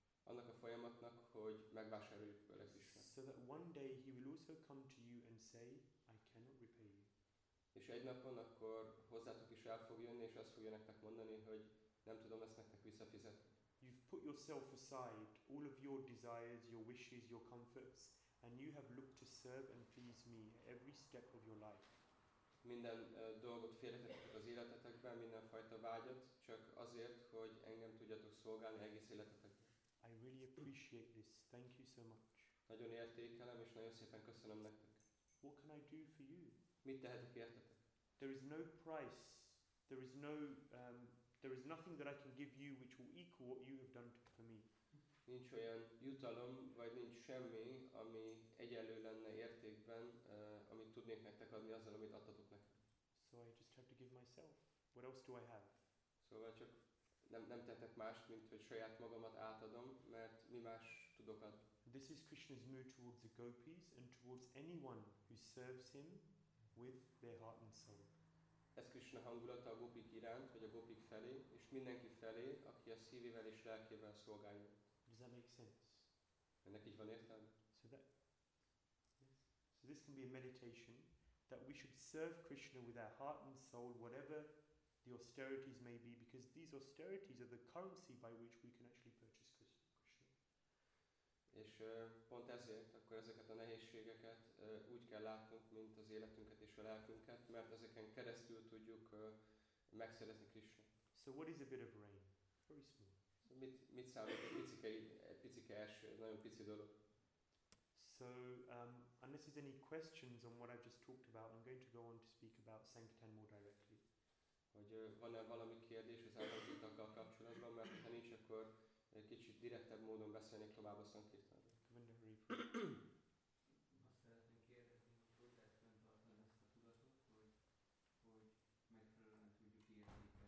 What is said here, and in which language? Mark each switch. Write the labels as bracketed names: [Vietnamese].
[Hungarian] Annak a folyamatnak, hogy megvásároljuk vele Krishna. [English] So that one day he will also come to you and say, I cannot repay you. [Hungarian] És egy napon akkor hozzátok is el fog jönni, és azt fogja nektek mondani, hogy nem tudom ezt nektek visszafizetni. [English] You've put yourself aside, all of your desires, your wishes, your comforts, and you have looked to serve and please me every step of your life. [Hungarian] Minden dolgot félretettek az életetekben, minden fajta vágyat, csak azért, hogy engem tudjatok szolgálni egész életetekben. [English] I really appreciate this. Thank you so much. [Hungarian] Nagyon értékelem és nagyon szépen köszönöm nektek. [English] What can I do for you? [Hungarian] Mit tehetek értetek? [English] There is no price. There is no there is nothing that I can give you which will equal what you have done for me. [Hungarian] Nincs olyan jutalom, vagy nincs semmi, ami egyenlő lenne értékben, amit tudnék nektek adni azzal, amit adtatok nekem. [English] So I just have to give myself. What else do I have? [Hungarian] Szóval csak nem tettek más, mint hogy saját magamat átadom, mert mi más tudok adni. [English] This is Krishna's mood towards the gopis and towards anyone who serves him with their heart and soul. [Hungarian] Ez Krishna hangulata a gopik iránt, vagy a gopik felé, és mindenki felé, aki a szívével és lelkével szolgálja. [English] Does that make sense? [Hungarian] Ennek így van értelme? [English] So that, yes. So this can be a meditation that we should serve Krishna with our heart and soul, whatever the austerities may be, because these austerities are the currency by which we can actually purchase Krishna. [Hungarian] És pont ezért akkor ezeket a nehézségeket úgy kell látnunk, mint az életünket és a lelkünket, mert ezeken keresztül tudjuk megszerezni Krishna. [English] So what is a bit of rain? Very small. [Hungarian] Mit számít egy picike eső, nagyon pici dolog. [English] So, unless there's any questions on what I've just talked about, I'm going to go on to speak about Sankirtan more directly. [Hungarian] Hogy van-e valami kérdés az áldozatokkal kapcsolatban, mert ha nincs, akkor kicsit direktebb módon beszélnék tovább a Sankirtanról. Azt szeretném kérdezni, hogy lehetne tartani ezt a tudatot, hogy megfelelően tudjuk érni.